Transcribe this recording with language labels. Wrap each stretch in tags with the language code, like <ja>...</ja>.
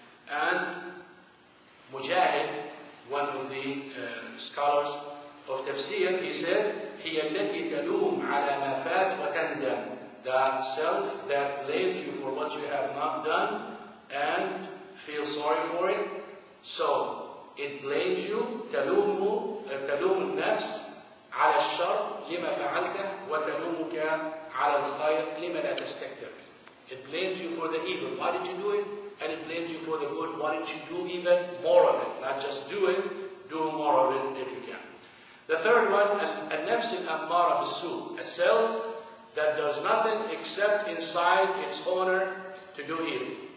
<en>And Mujahid, one of the scholars of tafsir, he said,</en> <ar>هي التي تلوم على ما فات وتندم.</ar> <en>The that self that blames you for what you have not done and feel sorry for it. So it blames you,</en> <ar>تلومه, تلوم النفس على الشر لما فعلته وتلومك على الخير لما لا تستكثر.</ar> <en>It blames you for the evil. Why did you do it? And it blames you for the good. Why don't you do even more of it? Not just do it, do more of it if you can. The third one,</en> <ar>النفس الأمارة بالسوء,</ar> <en>a self that does nothing except incite its owner to do evil.</en>